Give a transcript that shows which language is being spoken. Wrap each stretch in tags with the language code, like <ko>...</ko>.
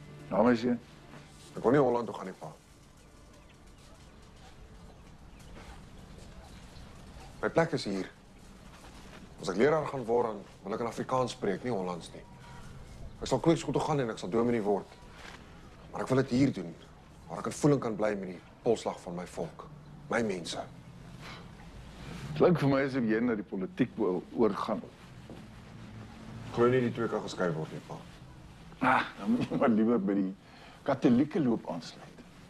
<af>Nou, my seun. Ek kon nie Holland toe gaan nie, pa. My plek is hier. As ek leraar gaan word, dan wil ek in Afrikaans spreek, nie Hollands nie. Ek sal kweekskool toe gaan en ek sal dominee word. Maar ek wil dit hier doen, waar ek in voeling kan bly met die polslag van my volk, my mense. Dit klink vir my asof jy na die politiek wil oorgaan. Glo nie die twee kan geskei word nie, pa.</af> <nl>Dan moet je maar liever bij die katholieke loop aansluiten.</nl>